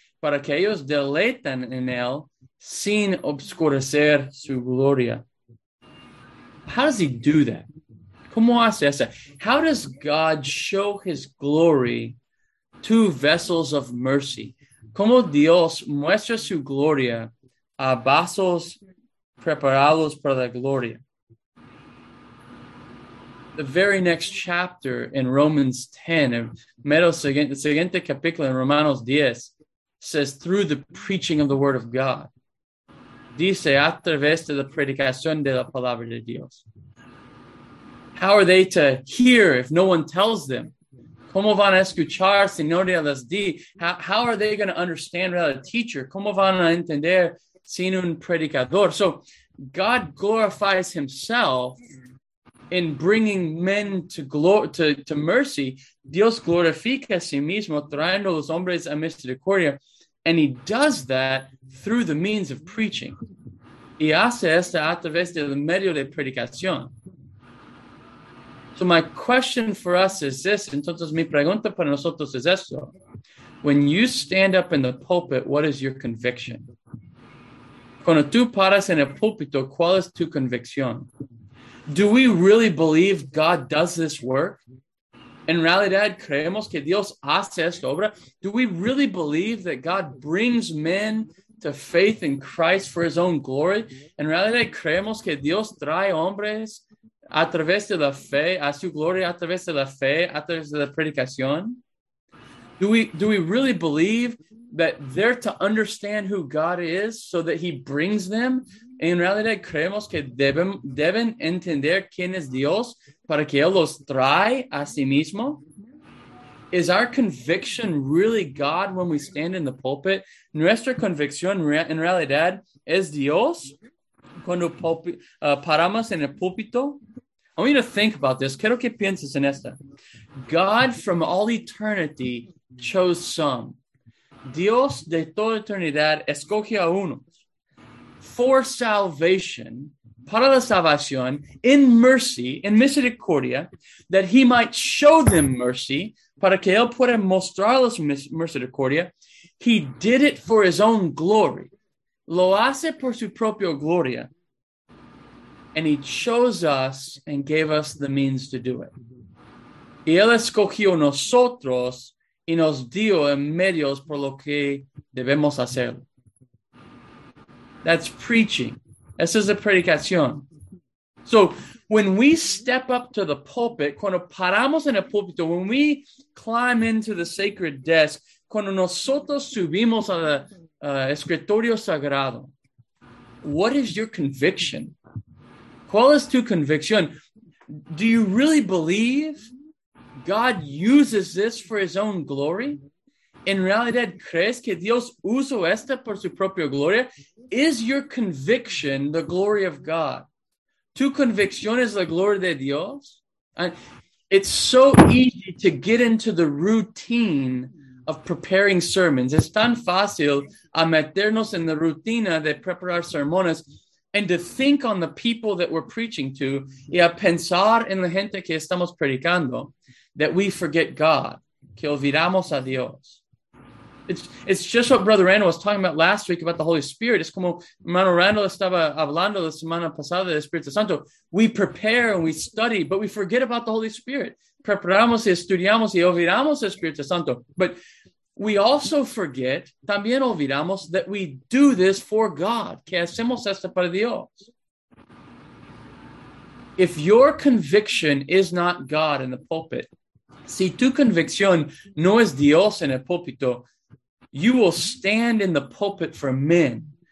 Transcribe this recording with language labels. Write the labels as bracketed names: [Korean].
[Spanish] Para que ellos deleitan en él sin obscurecer su gloria. [English] How does he do that? [Spanish] ¿Cómo hace eso? [English] How does God show his glory to vessels of mercy? [Spanish] ¿Cómo Dios muestra su gloria a vasos preparados para la gloria? [English] The very next chapter in Romans 10, the [Spanish] siguiente capítulo [English] in Romanos 10, says through the preaching of the word of God. [Spanish] Dice a través de la predicación de la palabra de Dios. [English] How are they to hear if no one tells them? [Spanish] ¿Cómo van a escuchar si nadie les dice? [English] How are they going to understand without a teacher? [Spanish] ¿Cómo van a entender sin un predicador? [English] So God glorifies himself in bringing men to mercy. [Spanish] Dios glorifica a sí mismo trayendo los hombres a misericordia. [English] And he does that through the means of preaching. [Spanish] Y hace esto a través del medio de predicación. [English] So my question for us is this. [Spanish] Entonces, mi pregunta para nosotros es esto. [English] When you stand up in the pulpit, what is your conviction? [Spanish] Cuando tú paras en el púlpito, ¿cuál es tu convicción? [English] Do we really believe God does this work? [Spanish] En realidad, ¿creemos que Dios hace esta obra? [English] Do we really believe that God brings men to faith in Christ for his own glory? [Spanish] En realidad, ¿creemos que Dios trae hombres a través de la fe, a su gloria, a través de la fe, a través de la predicación? [English] Do we really believe that they're to understand who God is so that he brings them? [Spanish] En realidad, creemos que deben entender quién es Dios para que él los trae a sí mismo. [English] Is our conviction really God when we stand in the pulpit? [Spanish] Nuestra convicción en realidad es Dios cuando paramos en el púlpito. [English] I want you to think about this. [Spanish] Quiero que pienses en esta. [English] God from all eternity chose some. [Spanish] Dios de toda eternidad escoge a unos [English] for salvation, [Spanish] para la salvación, [English] in mercy, [Spanish] in misericordia, that he might show them mercy, para que él pueda mostrarles misericordia. [English] He did it for his own glory. [Spanish] Lo hace por su propia gloria. [English] And he chose us and gave us the means to do it. [Spanish] Y él escogió nosotros y nos dio en medios por lo que debemos hacerlo. [English] That's preaching. [Spanish] Esa es la predicación. So [English] when we step up to the pulpit, [Spanish] cuando paramos en el púlpito, [English] when we climb into the sacred desk, [Spanish] cuando nosotros subimos al escritorio sagrado, [English] what is your conviction? [Spanish] ¿Cuál es tu convicción? [English] Do you really believe God uses this for his own glory? [Spanish] En realidad, ¿crees que Dios usó esta por su propia gloria? [English] Is your conviction the glory of God? [Spanish] Tu convicción es la gloria de Dios. [English] And it's so easy to get into the routine of preparing sermons. [Spanish] Es tan fácil a meternos en la rutina de preparar sermones [English] and to think on the people that we're preaching to [Spanish] y a pensar en la gente que estamos predicando [English] that we forget God, [Spanish] que olvidamos a Dios. [English] It's just what Brother Randall was talking about last week about the Holy Spirit. [Spanish] It's como hermano Randall estaba hablando la semana pasada del Espíritu Santo. [English] We prepare and we study, but we forget about the Holy Spirit. [Spanish] Preparamos y estudiamos y olvidamos el Espíritu Santo. [English] But we also forget, [Spanish] también olvidamos, [English] that we do this for God. [Spanish] Que hacemos esto para Dios. [English] If your conviction is not God in the pulpit, [Spanish] si tu convicción no es Dios en el púlpito, [English] you will stand in the pulpit for men.